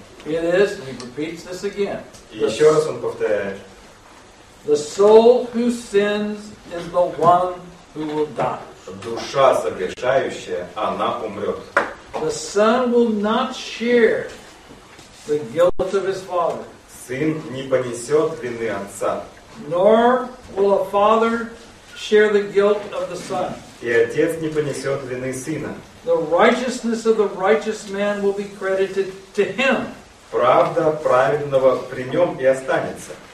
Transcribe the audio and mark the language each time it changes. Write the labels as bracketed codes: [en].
[en] It is, and he repeats this again. [ru] Еще раз он повторяет. [en] The soul who sins is the one who will die. [ru] Душа согрешающая, она умрет. [en] The son will not share the guilt of his father. [ru] Сын не понесет вины отца. [en] Nor will a father share the guilt of the son. [ru] И отец не понесет вины сына. [en] The righteousness of the righteous man will be credited to him. [ru] Правда праведного при нем и останется.